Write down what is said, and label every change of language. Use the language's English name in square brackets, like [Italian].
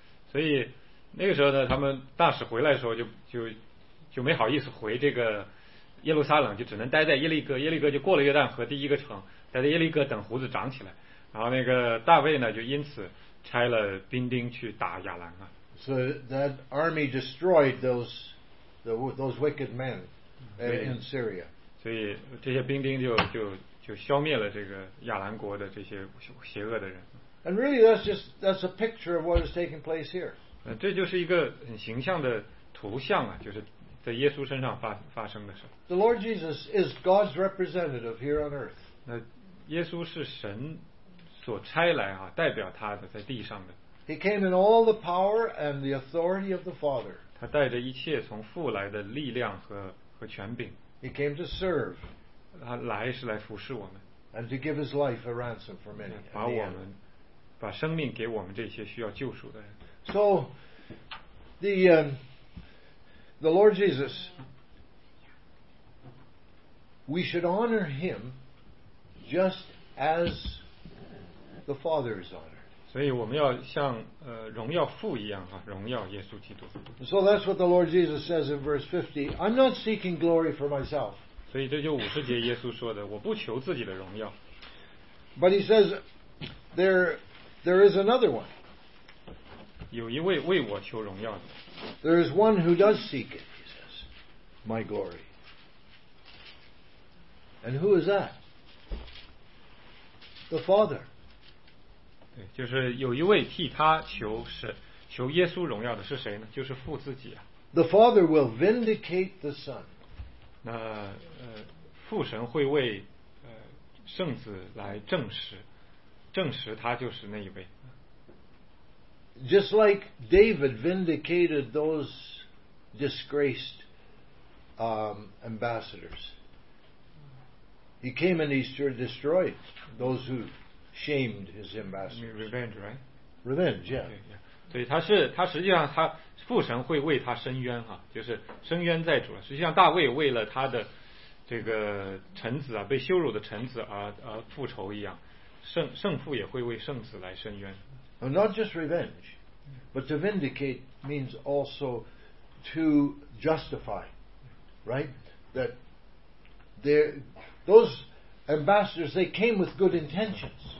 [Chinese] 所以那个时候呢，他们大使回来的时候就没好意思回这个。耶路撒冷就只能待在耶利哥，耶利哥就过了约旦河第一个城，待在耶利哥等胡子长起来。然后那个大卫呢，就因此拆了兵丁去打亚兰啊。 [English] So that army destroyed those wicked men in Syria. [Chinese] 所以这些兵丁就消灭了这个亚兰国的这些邪恶的人。 [English] And really, that's a picture of what is taking place here. [Chinese] 这就是一个很形象的图像啊，就是。在耶稣身上发生的事。 [English] The Lord Jesus is God's representative here on earth. [Chinese] 那耶稣是神所差来啊，代表他的在地上的。 [English] He came in all the power and the authority of the Father. [Chinese] 他带着一切从父来的力量和权柄。 [English] He came to serve. [Chinese] 他来是来服侍我们。 [English] And to give his life a ransom for many. [Chinese] 把生命给我们这些需要救赎的人。 [English] So the Lord Jesus, we should honor him just as the Father is honored. [Chinese] 所以我们要像荣耀父一样啊，荣耀耶稣基督。 [English] So that's what the Lord Jesus says in verse 50. I'm not seeking glory for myself. [Chinese] 所以这就五十节耶稣说的，我不求自己的荣耀。 [English] But he says there is another one. [Chinese] 有一位为我求荣耀的。 [English] There is one who does seek it, he says, my glory. And who is that? The Father. [Chinese] 对，就是有一位替他求耶稣荣耀的是谁呢？就是父自己啊。 [English] The Father will vindicate the Son. [Chinese] 那父神会为圣子来证实他就是那一位。 [English] Just like David vindicated those disgraced ambassadors, he came and he destroyed those who shamed his ambassadors. Revenge, right? Revenge, yeah. [Chinese] 对，他实际上他父神会为他伸冤哈，就是伸冤在主。实际上大卫为了他的这个臣子啊，被羞辱的臣子而复仇一样，圣父也会为圣子来伸冤。 [English] Not just revenge, but to vindicate means also to justify, right? That those ambassadors, they came with good intentions.